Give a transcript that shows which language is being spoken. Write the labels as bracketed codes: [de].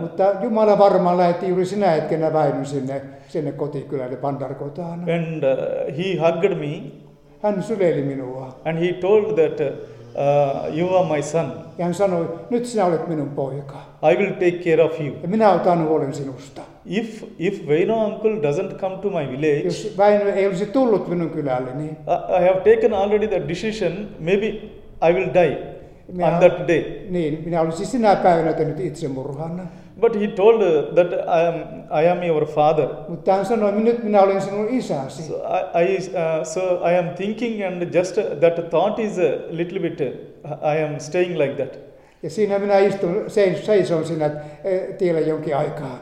[fi] Mutta Jumala varmaan lähti juuri sinä hetkenä Väinön sinne kotikylälle Bandarkotaan. [en] And he hugged me. [fi] Hän syleili minua. [en] And he told that you are my son. [fi] Ja hän sanoi, nyt sinä olet minun poika. [en] I will take care of you. [fi] Ja minä otan huolen sinusta. [en] If Veino uncle doesn't come to my village, [fi] jos Veino ei olisi tullut minun kylälle, niin [en] I have taken already the decision, maybe I will die on that day. [fi] Niin, minä olisin sinä päivänä tehnyt itsemurhan. [en] But he told that I am your father. [fi] Mutta hän sanoi, nyt minä olen sinun isäsi. [en] So I am thinking and just that thought is a little bit, I am staying like that. [fi] Ja siinä minä istun, seison siinä tiellä jonkin aikaa.